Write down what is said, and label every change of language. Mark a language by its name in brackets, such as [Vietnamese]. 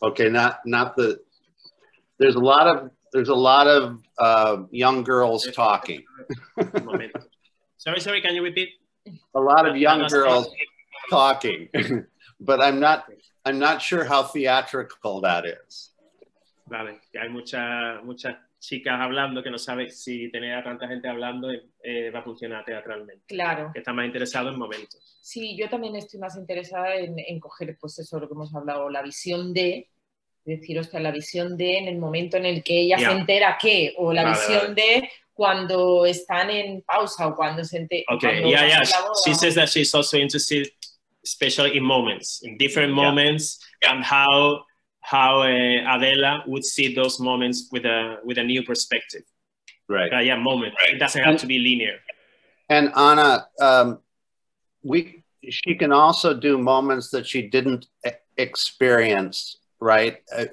[English] Okay, there's a lot of young girls talking. sorry, can you repeat? A lot of young girls talking. But I'm not sure how theatrical that is. [Spanish] Vale, hay muchas chicas hablando que no sabe si tener a tanta gente hablando va a funcionar teatralmente. Claro. Que está más interesado en momentos. Sí, yo también estoy más interesada en coger, pues eso, lo que hemos hablado, la visión de, decir, o sea, la visión de en el momento en el que ella se entera que, o la visión de cuando están en pausa o cuando se entera. [English] Okay, [Spanish] cuando [English] she says that she's also interested especially in moments, in different moments, and how Adela would see those moments with a new perspective. Right. But yeah, moment. Right. It doesn't have to be linear. And Ana, she can also do moments that she didn't experience, right?